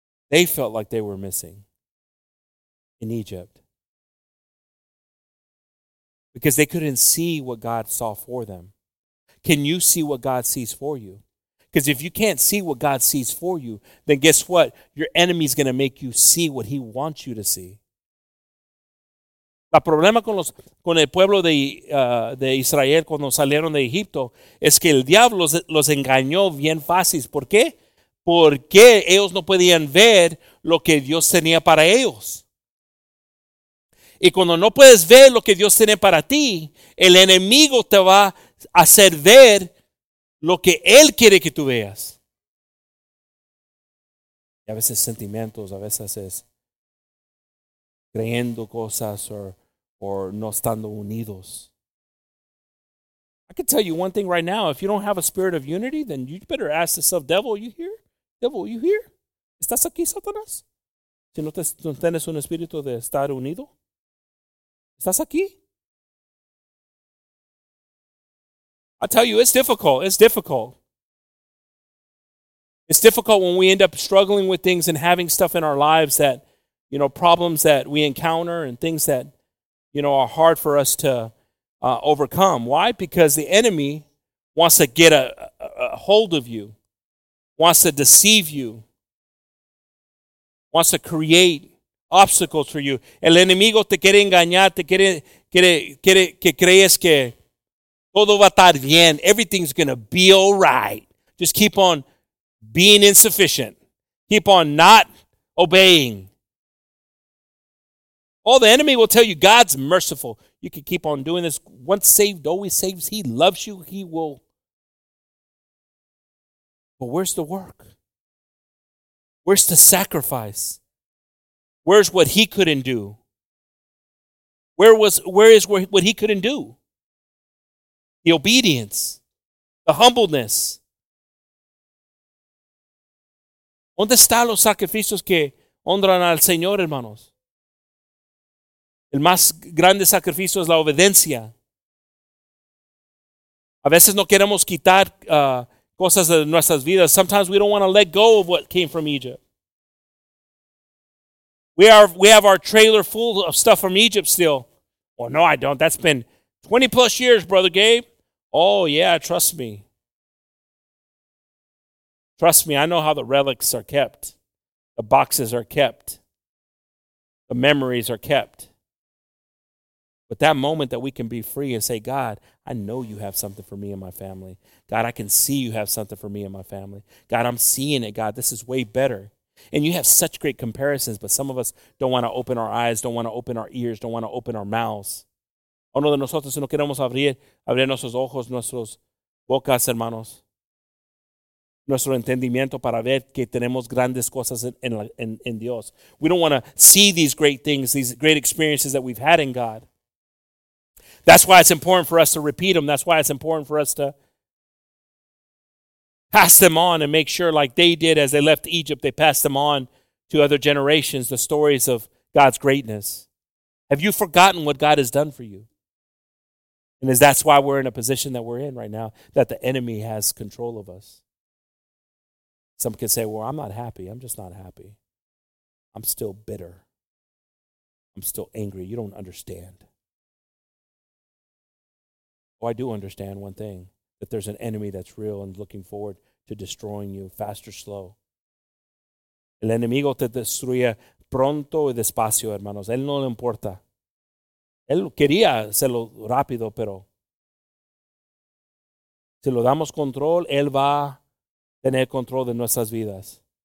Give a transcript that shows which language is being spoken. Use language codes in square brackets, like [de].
[en] They felt like they were missing in Egypt, because they couldn't see what God saw for them. Can you see what God sees for you? Because if you can't see what God sees for you, then guess what? Your enemy's going to make you see what he wants you to see. [es] La problema con el pueblo de Israel cuando salieron de Egipto es que el diablo los engañó bien fácil. ¿Por qué? Porque ellos no podían ver lo que Dios tenía para ellos. Y cuando no puedes ver lo que Dios tiene para ti, el enemigo te va hacer ver lo que él quiere que tú veas. Y a veces sentimientos, a veces es creyendo cosas or no estando unidos. [en] I can tell you one thing right now. If you don't have a spirit of unity, then you better ask yourself, devil, are you here? Devil, are you here? [es] ¿Estás aquí, Satanás? Si no tienes un espíritu de estar unido, ¿estás aquí? [en] I tell you, it's difficult. It's difficult. It's difficult when we end up struggling with things and having stuff in our lives that, you know, problems that we encounter and things that, you know, are hard for us to overcome. Why? Because the enemy wants to get a hold of you, wants to deceive you, wants to create obstacles for you. [es] El enemigo te quiere engañar, te quiere que creas que todo va a estar bien. [en] Everything's going to be all right. Just keep on being insufficient. Keep on not obeying. All the enemy will tell you, God's merciful. You can keep on doing this. Once saved, always saved. He loves you. He will. But where's the work? Where's the sacrifice? Where's what he couldn't do? Where is what he couldn't do? The obedience. The humbleness. [es] ¿Dónde están los sacrificios que honran al Señor, hermanos? El más grande sacrificio es la obediencia. A veces no queremos quitar cosas de nuestras vidas. [en] Sometimes we don't want to let go of what came from Egypt. We have our trailer full of stuff from Egypt still. Oh, no, I don't. That's been 20 plus years, Brother Gabe. Oh, yeah, trust me. Trust me, I know how the relics are kept. The boxes are kept. The memories are kept. But that moment that we can be free and say, God, I know you have something for me and my family. God, I can see you have something for me and my family. God, I'm seeing it, God. This is way better. And you have such great comparisons, but some of us don't want to open our eyes, don't want to open our ears, don't want to open our mouths. [es] Uno de nosotros no queremos abrir nuestros ojos, nuestras bocas, hermanos. Nuestro entendimiento para ver que tenemos grandes cosas en Dios. [en] We don't want to see these great things, these great experiences that we've had in God. That's why it's important for us to repeat them. That's why it's important for us to pass them on and make sure, like they did as they left Egypt, they passed them on to other generations, the stories of God's greatness. Have you forgotten what God has done for you? And is that's why we're in a position that we're in right now, that the enemy has control of us. Some can say, well, I'm not happy. I'm just not happy. I'm still bitter. I'm still angry. You don't understand. Oh, I do understand one thing, that there's an enemy that's real and looking forward to destroying you fast or slow. [es] El enemigo te destruye pronto y despacio, hermanos. Él no le importa. Él quería hacerlo rápido, pero si lo damos control, él va tener control de nuestras vidas.